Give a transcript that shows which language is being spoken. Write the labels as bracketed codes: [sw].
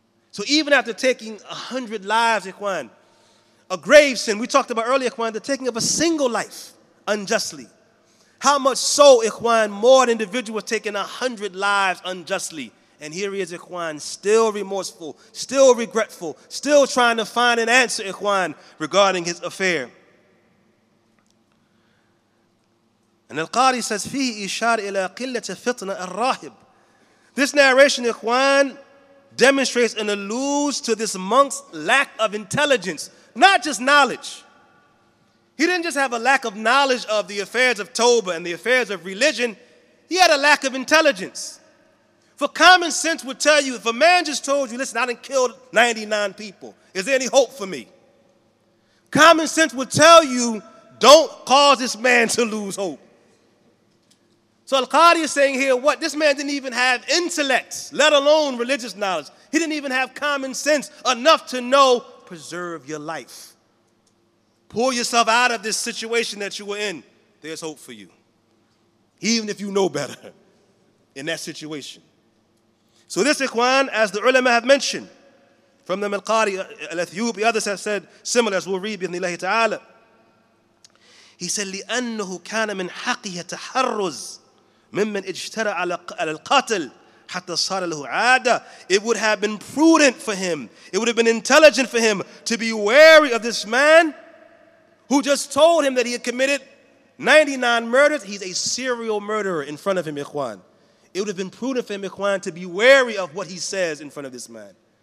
[en] So even after taking 100 lives, ikhwan, a grave sin, we talked about earlier, ikhwan, the taking of a single life unjustly. How much so, ikhwan, more an individual taking 100 lives unjustly. And here he is, ikhwan, still remorseful, still regretful, still trying to find an answer, ikhwan, regarding his affair. And al-Qari says, [ar] فيه إشار إلى قلة فتنة الراهب. [en] This narration, ikhwan, demonstrates and alludes to this monk's lack of intelligence, not just knowledge. He didn't just have a lack of knowledge of the affairs of Tawbah and the affairs of religion. He had a lack of intelligence. For common sense would tell you, if a man just told you, listen, I done killed 99 people, is there any hope for me? Common sense would tell you, don't cause this man to lose hope. So Al-Qadi is saying here, what? This man didn't even have intellect, let alone religious knowledge. He didn't even have common sense enough to know, preserve your life. Pull yourself out of this situation that you were in. There's hope for you. Even if you know better in that situation. So this, ikhwan, as the ulama have mentioned, from the Al-Qadi al-Athyubi, others have said similar, as we'll read, bi idhnillahi ta'ala. [ar] He said, لِأَنَّهُ كَانَ مِنْ حَقِّهِ تَحَرُّزْ مِمَّنْ اِجْتَرَ عَلَى الْقَتْلِ حَتَّى صَارَ لَهُ عَادَةٌ. [en] It would have been prudent for him, it would have been intelligent for him to be wary of this man who just told him that he had committed 99 murders. He's a serial murderer in front of him, ikhwan. It would have been prudent for him, ikhwan, to be wary of what he says in front of this man.